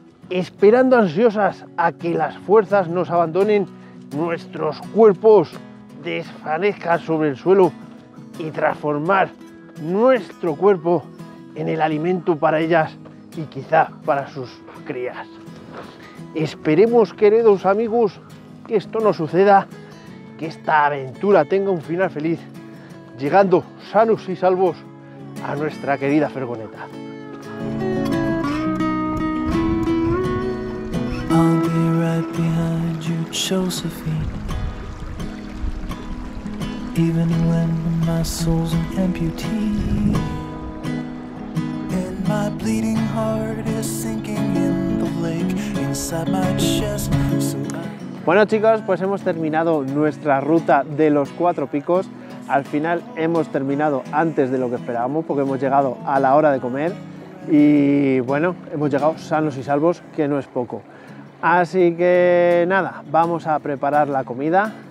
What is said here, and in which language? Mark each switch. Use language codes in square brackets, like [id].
[es] esperando ansiosas a que las fuerzas nos abandonen, nuestros cuerpos desfallezcan sobre el suelo y transformar nuestro cuerpo en el alimento para ellas y quizá para sus crías. Esperemos, queridos amigos, que esto no suceda, que esta aventura tenga un final feliz, llegando sanos y salvos a nuestra querida Fergoneta. [en] I'll be right behind you, Josephine. Even when my soul's an amputee and my bleeding heart is sinking in the lake inside my chest. [es] Bueno, chicos, pues hemos terminado nuestra ruta de los cuatro picos. Al final hemos terminado antes de lo que esperábamos, porque hemos llegado a la hora de comer y bueno, hemos llegado sanos y salvos, que no es poco. Así que nada, vamos a preparar la comida.